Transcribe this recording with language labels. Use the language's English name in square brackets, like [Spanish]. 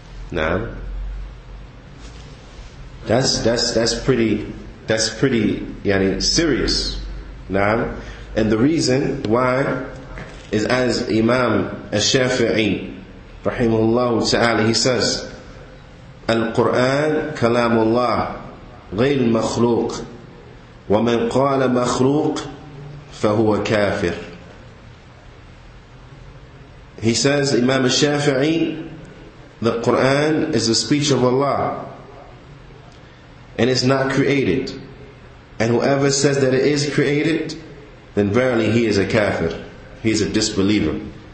[English] Now, that's pretty serious. Now, and the reason why is as Imam Ash-Shafi'i, rahimahullah ta'ala, he says, [Arabic] Al-Qur'an kalamullah. غير مخلوق ومن قال مخلوق فهو كافر. [English] He says, Imam Shafi'i, the Quran is the speech of Allah and it's not created, and whoever says that it is created, then verily he is a kafir, he is a disbeliever.